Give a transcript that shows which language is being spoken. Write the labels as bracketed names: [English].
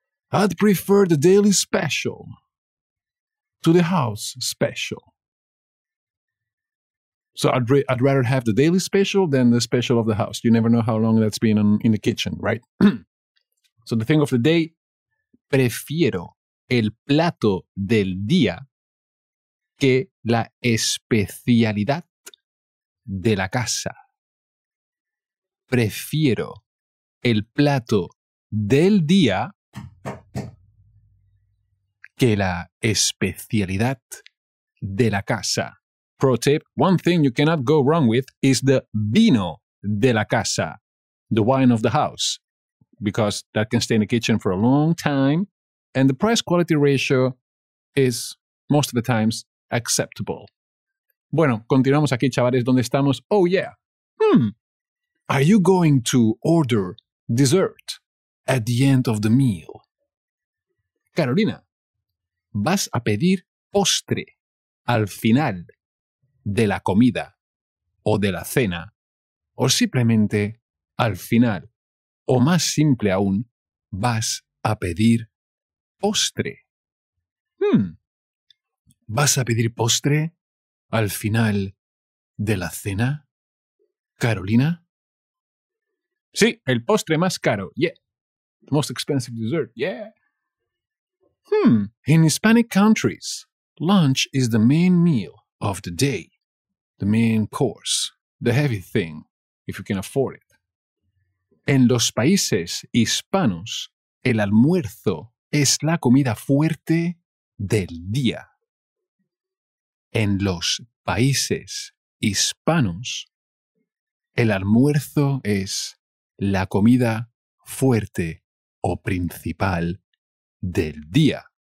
[English] I'd prefer the daily special to the house special. So I'd rather have the daily special than the special of the house. You never know how long that's been in the kitchen, right? So the thing of the day, [Spanish] prefiero el plato del día que la especialidad de la casa. Prefiero el plato del día que la especialidad de la casa. [English] Pro tip, one thing you cannot go wrong with is the [Spanish] vino de la casa, [English] the wine of the house, because that can stay in the kitchen for a long time, and the price-quality ratio is, most of the times, acceptable. [Spanish] Bueno, continuamos aquí, chavales, ¿dónde estamos? [English] Oh, yeah. Are you going to order dessert at the end of the meal? [Spanish] Carolina, ¿vas a pedir postre al final de la comida o de la cena o simplemente al final? O más simple aún, ¿vas a pedir postre? ¿Vas a pedir postre al final de la cena, Carolina? Sí, el postre más caro. [English] Yeah. The most expensive dessert. Yeah. In Hispanic countries, lunch is the main meal of the day. The main course. The heavy thing, if you can afford it. [Spanish] En los países hispanos, el almuerzo es la comida fuerte del día. En los países hispanos, el almuerzo es la comida fuerte o principal del día.